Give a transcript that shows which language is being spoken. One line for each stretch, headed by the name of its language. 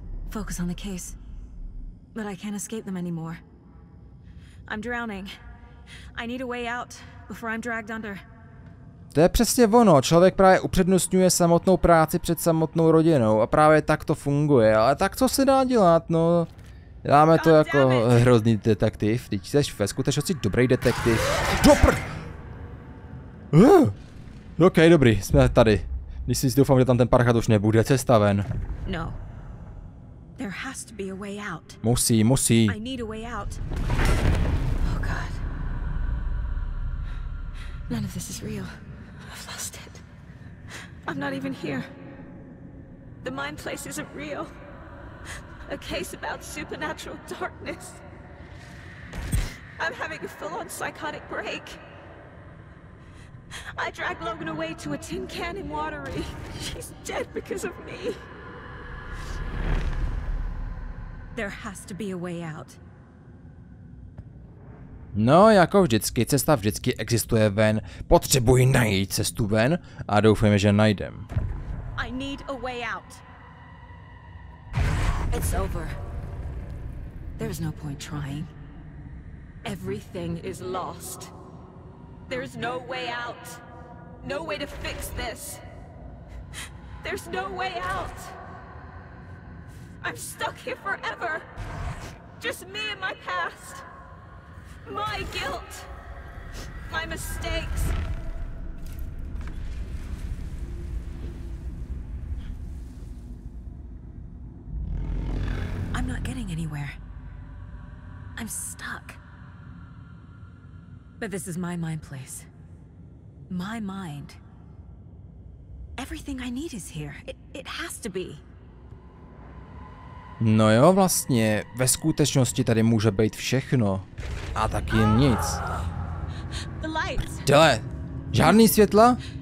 English: Focus on the case, but I can't escape them anymore. I'm drowning. I need a way out before I'm dragged under.
Czech: To je přesně ono. Člověk právě upřednostňuje samotnou práci před samotnou rodinou a právě tak to funguje. Ale tak co se dá dělat? No, dáme to jako hrozný detektiv. Teď jsi ve skutečnosti dobrý detektiv. OK, dobrý, jsme tady. Myslím si, doufám, že tam ten parchat už nebude cesta ven.
English: No. There has to be a way out.
Czech: Musí.
English: I need a way out. Oh god. None of this is real. I've lost it. I'm not even here. The mind place isn't real. A case about supernatural darkness. I'm having a full-on psychotic break. I dragged Logan away to a tin can in Watery. She's dead because of me. There has to be a way out.
Czech: No, jako vždycky, cesta vždycky existuje ven. Potřebuji najít cestu ven a doufujeme, že najdem.
English: I need a way out. It's over. There's no point trying. Everything is lost. There's no way out. No way to fix this. There's no way out. I'm stuck here forever. Just me and my past. My guilt. My mistakes. I'm not getting anywhere. I'm stuck. But this is my mind place. My mind. Everything I need is here. It has to be.
Czech: No jo, vlastně, ve skutečnosti tady může být všechno. A taky nic. Dele, žádný světla?